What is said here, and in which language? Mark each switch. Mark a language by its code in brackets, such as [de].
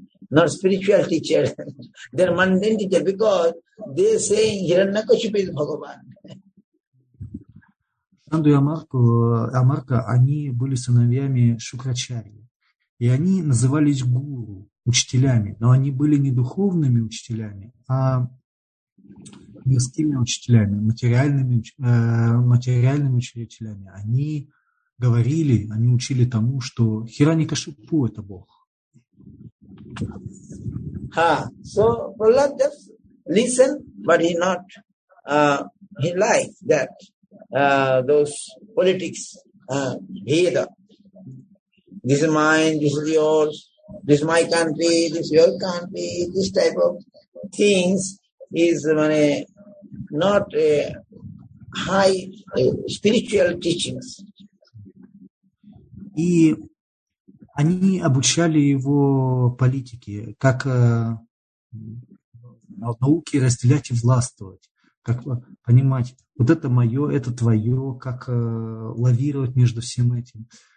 [en] Not spiritual teacher. They are mundane teacher because they are saying Hiranyakashipu is Bhagavan. [ru] Шанду и Амарка, они были сыновьями Шукрачарьи. И они назывались гуру, учителями. Но они были не духовными учителями, а мирскими учителями, материальными учителями. Они говорили, они учили тому, что Хиранякашипу – это Бог. [en] So, Prahlad just listened, but he not, he liked that. Those politics, either. This is mine, this is yours, this is my country, this is your country, this type of things is not high spiritual teachings. [ru] И они обучали его политике, как науке разделять и властвовать, как понимать, вот это мое, это твое, как лавировать между всем этим.